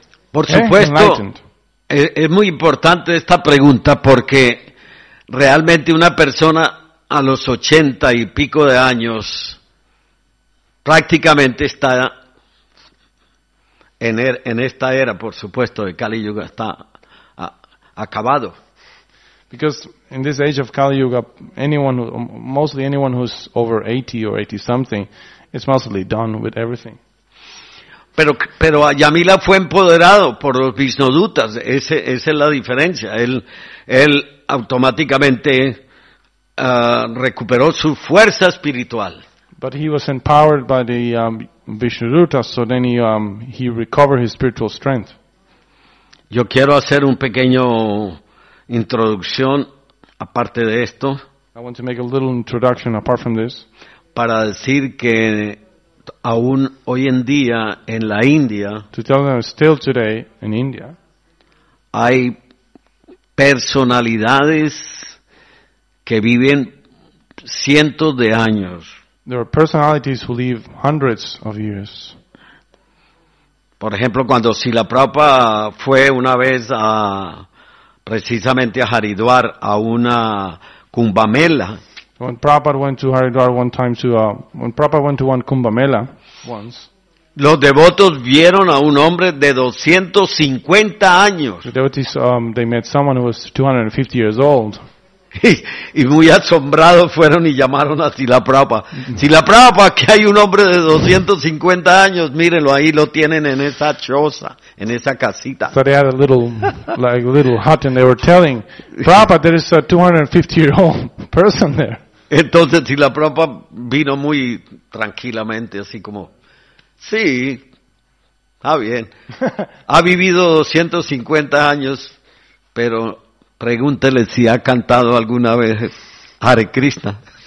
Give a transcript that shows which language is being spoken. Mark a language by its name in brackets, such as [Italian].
[Spanish] Por supuesto, es muy importante esta pregunta porque realmente una persona a los 80 y pico de años prácticamente está en esta era, por supuesto, de Kali Yuga está acabado. [English] Because in this age of Kali Yuga, anyone who's over 80 or 80 something, is mostly done with everything. [Spanish] Pero Ajamila fue empoderado por los Vishnudutas. Esa es la diferencia. Él automáticamente recuperó su fuerza espiritual. [English] But he was empowered by the Vishnudutas, so then he recovered his spiritual strength. [Spanish] Yo quiero hacer un pequeño introducción aparte de esto. [English] I want to make a little introduction apart from this. [Spanish] Para decir que aún hoy en día en la India, [English] to tell them still today in India, [Spanish] hay personalidades que viven cientos de años. [English] There are personalities who live hundreds of years. [Spanish] Por ejemplo, cuando Srila Prabhupada fue una vez a precisamente a Haridwar, a una Kumbh Mela. [English] When Prabhupada went to Haridwar one time when Prabhupada went to one Kumbh Mela once. [Spanish] Los devotos vieron a un hombre de 250 años. [English] The devotees, they met someone who was 250 years old. [Spanish] Y muy asombrados fueron y llamaron a Srila Prabhupada. Srila Prabhupada, aquí hay un hombre de 250 años, mírenlo ahí, lo tienen en esa choza, en esa casita. [English] So they had a little hut and they were telling, Prabhupada, there is a 250-year-old person there. [Spanish] Entonces Srila Prabhupada vino muy tranquilamente, así como, sí, está bien. Ha vivido 250 años, pero pregúntele si ha cantado alguna vez Hare Krishna.